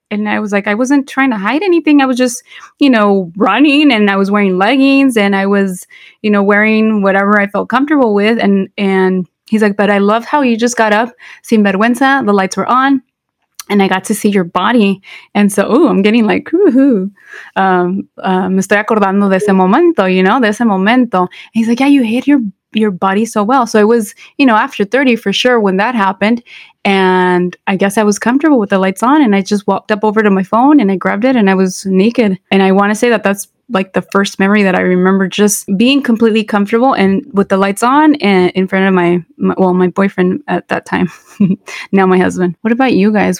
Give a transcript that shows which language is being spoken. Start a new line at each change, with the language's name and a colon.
English: And I was like, I wasn't trying to hide anything. I was just, you know, running, and I was wearing leggings, and I was, you know, wearing whatever I felt comfortable with. And he's like, but I love how you just got up,
Spanish: sin vergüenza,
English: the lights were on, and I got to see your body. And so, oh, I'm getting like, woohoo.
Spanish: Me estoy acordando de ese momento,
English: you know,
Spanish: de ese momento.
English: And he's like, yeah, you hit your body so well. So it was, you know, after 30 for sure when that happened. And I guess I was comfortable with the lights on. And I just walked up over to my phone and I grabbed it and I was naked. And I want to say that that's like the first memory that I remember just being completely comfortable and with the lights on and in front of my boyfriend at that time, now my husband. What about you guys?